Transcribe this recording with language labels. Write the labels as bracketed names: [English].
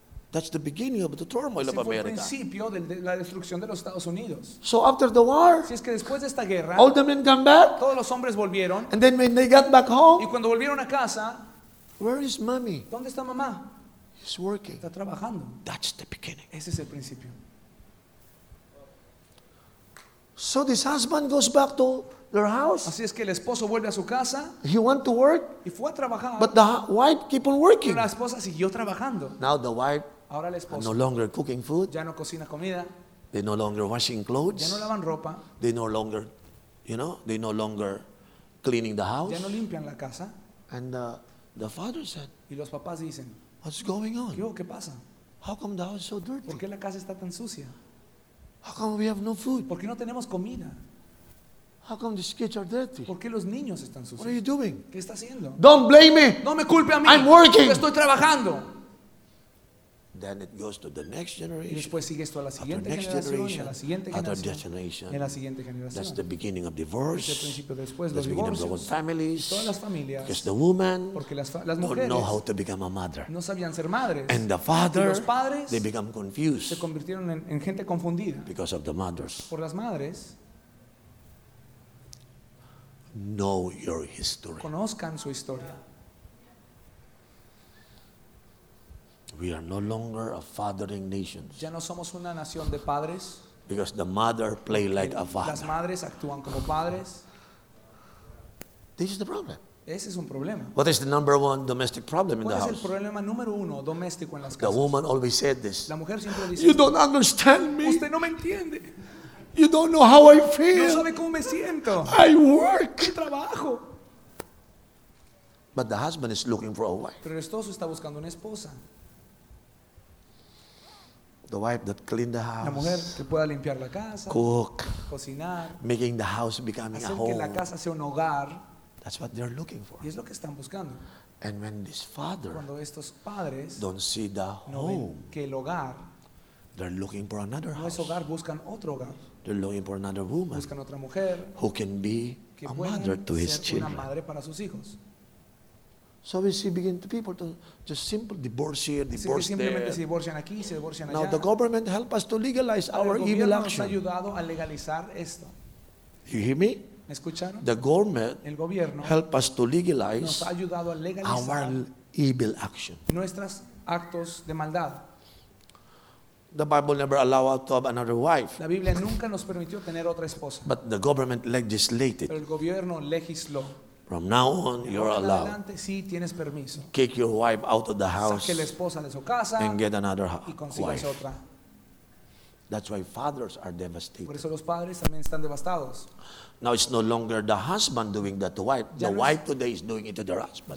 [English] That's the beginning of the turmoil of America. [Spanish] Principio de la destrucción de los Estados Unidos. [English] So after the war, [Spanish] si es que después de esta guerra, [English] all the men come back. [Spanish] Todos los hombres volvieron. [English] And then when they got back home, [Spanish] y cuando volvieron a casa, [English] where is mommy? [Spanish] ¿Dónde está mamá? [English] She's working. [Spanish] Está trabajando. [English] That's the beginning. [Spanish] Ese es el principio. [English] So this husband goes back to their house. [Spanish] Así es que el esposo vuelve a su casa. [English] He went to work. [Spanish] Y fue a trabajar. [English] But the wife keep on working. [Spanish] Pero la esposa siguió trabajando. [English] Now the wife [Spanish] ahora el esposo [English] no longer cooking food. [Spanish] Ya no cocina comida. [English] They no longer washing clothes. [Spanish] Ya no lavan ropa. [English] They no longer, you know, they no longer cleaning the house. [Spanish] Ya no limpian la casa. [English] And the father said, [Spanish] y los papás dicen, [English] what's going on? [Spanish] ¿Qué pasa? [English] How come the house is so dirty? [Spanish] ¿Por qué la casa está tan sucia? [English] How come we have no food? [Spanish] ¿Por qué no tenemos comida? [English] How come these kids are dirty? [Spanish] ¿Por qué los niños están sucios? [English] What are you doing? [Spanish] ¿Qué está haciendo? [English] Don't blame me. [Spanish] No me culpe a mí. [English] I'm working. [Spanish] Estoy trabajando. [English] Then it goes to the next generation. [Spanish] Y después sigue esto a la siguiente [English] next [Spanish] generación. [English] Next [Spanish] a la siguiente generación. [English] Other generation. [Spanish] En la siguiente generación. [English] That's the beginning of divorce. [Spanish] Es el principio después [English] that's [Spanish] los divorcios. [English] Beginning of families. [Spanish] Todas las familias. [English] Because the woman [Spanish] porque las mujeres [English] don't know how to become a mother. [Spanish] No sabían ser madres. [English] And the father, [Spanish] y los padres [English] they become confused. [Spanish] Se convirtieron en gente confundida. [English] Because of the mothers. [Spanish] Por las madres. [English] Know your history. [Spanish] Conozcan su historia. [English] We are no longer a fathering nation. [Spanish] Ya no somos una nación de padres. [English] Because the mother play like a father. [Spanish] Las madres actúan como padres. [English] This is the problem. [Spanish] Ese es un problema. [English] What is the number one domestic problem in the house? [Spanish] ¿Cuál es el problema número uno doméstico en las casas? [English] The woman always said this. [Spanish] La mujer siempre dice. [English] You don't understand me. [Spanish] Usted no me entiende. [English] You don't know how I feel. [Spanish] No sabe cómo me siento. [English] I work. [Spanish] Yo trabajo. [English] But the husband is looking for a wife. [Spanish] Pero el esposo está buscando una esposa. [English] The wife that cleaned the house. [Spanish] La mujer que pueda limpiar la casa. [English] Cook. [Spanish] Cocinar. [English] Making the house becoming [Spanish] hacer [English] a home. [Spanish] Que la casa sea un hogar. [English] That's what they're looking for. [Spanish] Y es lo que están buscando. [English] And when this father [Spanish] cuando estos padres [English] don't see the [Spanish] no [English] home, [Spanish] que el hogar [English] they're looking for another house. [Spanish] No es hogar, buscan otro hogar. [English] They're looking for another woman [Spanish] buscan otra mujer [English] who can be a mother to his children. [Spanish] Una madre para sus hijos. [English] So we see begin to people to just simple divorce here, divorce [Spanish] simplemente [English] there. [Spanish] Se divorcian aquí, se divorcian allá. [English] Now the government help us to legalize [Spanish] ahora, [English] our [Spanish] el gobierno [English] evil action. [Spanish] Nos ha ayudado a legalizar esto. [English] You hear me? [Spanish] ¿Me escucharon? [English] The government [Spanish] el gobierno [English] help us to legalize [Spanish] nos ha ayudado a legalizar [English] our evil action. [Spanish] Nuestros actos de maldad. [English] The Bible never allowed us to have another wife. [Spanish] La Biblia nunca nos permitió tener otra esposa. [English] But the government legislated. [Spanish] Pero el gobierno legisló. [English] From now on, you're allowed. [Spanish] Adelante, sí, tienes permiso. [English] Kick your wife out of the house. [Spanish] Saque la esposa de su casa. [English] And get another [Spanish] y consigas [English] wife. [Spanish] Otra. [English] That's why fathers are devastated. [Spanish] Por eso los padres también están devastados. [English] Now it's no longer the husband doing that to wife. [Spanish] Ya [English] the [Spanish] no [English] wife [Spanish] es, [English] today is doing it to their husband.